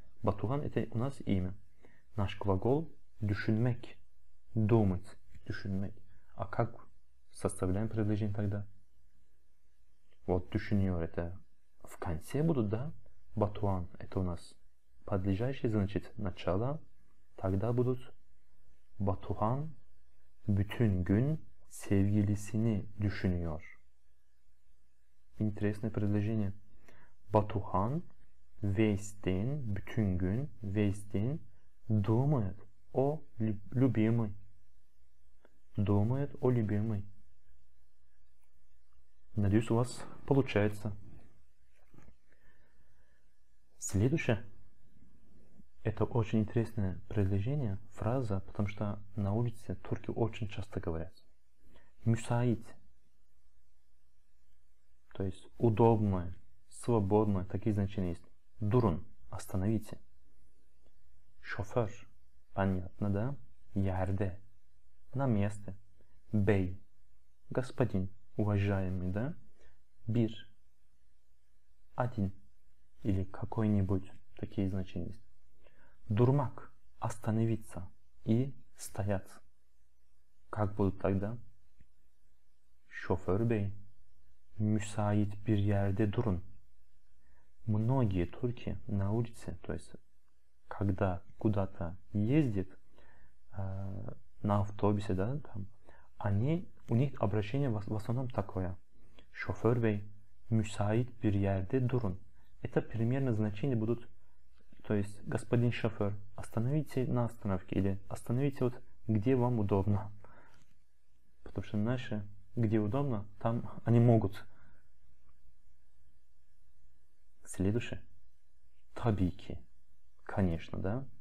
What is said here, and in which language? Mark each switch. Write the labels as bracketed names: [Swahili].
[Russian] Batuhan это у нас имя. Наш глагол düşünmek. Думать, düşünmek. А как составляем предложение тогда? Вот düşünüyor это в конце будут, да? Batuhan это у нас подлежащее, значит начало. Тогда будут [Turkish] Batuhan bütün gün sevgilisini düşünüyor. [Russian] Интересное предложение. Batuhan весь день, [Turkish] bütün gün, [Russian] весь день думает о любимой. Думает о любимой. Надеюсь, у вас получается. Следующее. Это очень интересное предложение, фраза, потому что на улице турки очень часто говорят. [Turkish] Müsait. [Russian] То есть удобное, свободное, такие значения есть. Durun, остановите. Шофер, понятно, да? Yerde, на месте. Bey, господин, уважаемый, да? Bir, один. Или какой-нибудь, такие значения есть. Durmak, остановиться и стоять. Как будут тогда? [Turkish] Şoför bey, müsait bir yerde durun. [Russian] Многие турки на улице, то есть когда куда-то ездят, на автобусе, да, там, Они у них обращение в основном такое. [Turkish] Шофер бей, müsait bir yerde durun. [Russian] Это примерно значение будут, то есть, господин шофер, остановите на остановке или остановите вот где вам удобно. Потому что наши, где удобно, там они могут. Следующее. Табики. Конечно, да?